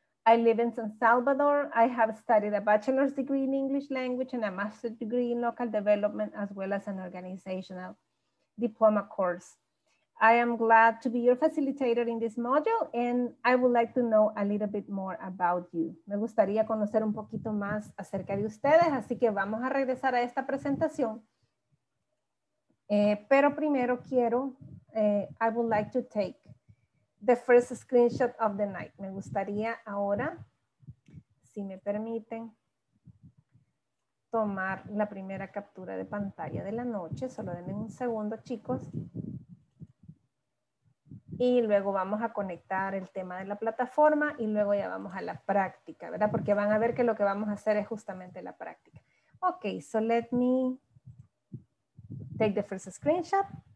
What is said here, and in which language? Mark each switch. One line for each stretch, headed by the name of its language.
English: I live in San Salvador. I have studied a bachelor's degree in English language and a master's degree in local development, as well as an organizational diploma course. I am glad to be your facilitator in this module and I would like to know a little bit more about you.
Spanish: Me gustaría conocer un poquito más acerca de ustedes, así que vamos a regresar a esta presentación. Pero primero quiero,
English: I would like to take the first screenshot of the night.
Spanish: Me gustaría ahora, si me permiten, tomar la primera captura de pantalla de la noche. Solo denme un segundo, chicos. Y luego vamos a conectar el tema de la plataforma y luego ya vamos a la práctica, ¿verdad? Porque van a ver que lo que vamos a hacer es justamente la práctica.
English: Ok, so let me take the first screenshot.